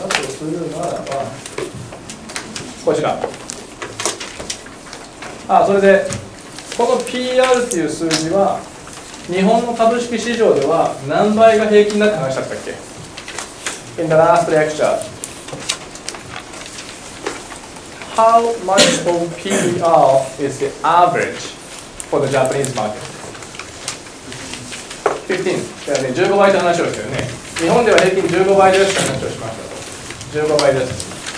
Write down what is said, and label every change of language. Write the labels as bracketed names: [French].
[Japanese] するならばこちら、それでこの PR っていう数字は日本の株式市場では何倍が平均だって話だったっけ。 [English] In the last lecture How much of PR is the average for the Japanese market? [Japanese] 15、15倍って話をしたよね。日本では平均15倍ですって話をしました。15倍です。